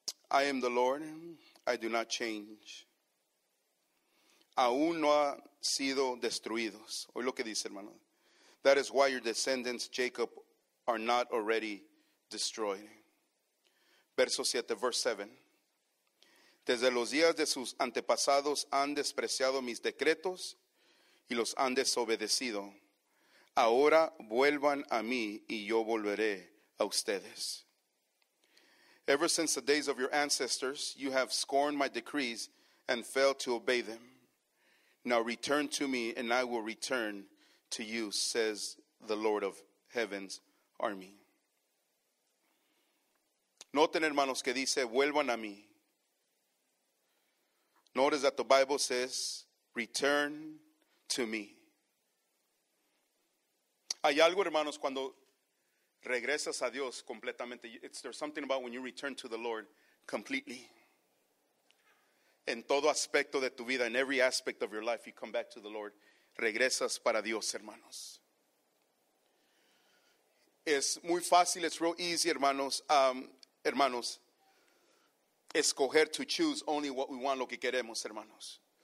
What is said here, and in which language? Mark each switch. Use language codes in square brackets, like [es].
[en] I am the Lord, I do not change. [es] Aún no ha sido destruidos. Oye lo que dice, hermano. [en] That is why your descendants, Jacob, are not already destroyed. [es] Verso 7, verse 7. Desde los días de sus antepasados han despreciado mis decretos y los han desobedecido. Ahora vuelvan a mí y yo volveré a ustedes. [en] Ever since the days of your ancestors, you have scorned my decrees and failed to obey them. Now return to me and I will return to you, says the Lord of heaven's army. [es] Noten, hermanos, que dice, vuelvan a mí. [en] Notice that the Bible says, return to me. [es] Hay algo, hermanos, cuando regresas a Dios completamente. [en] There's something about when you return to the Lord completely. [es] En todo aspecto de tu vida, [en] in every aspect of your life, you come back to the Lord. [es] Regresas para Dios, hermanos. Es muy fácil, [en] it's real easy, [es] hermanos. Hermanos, escoger [en] to choose only what we want, [es] lo que queremos, hermanos.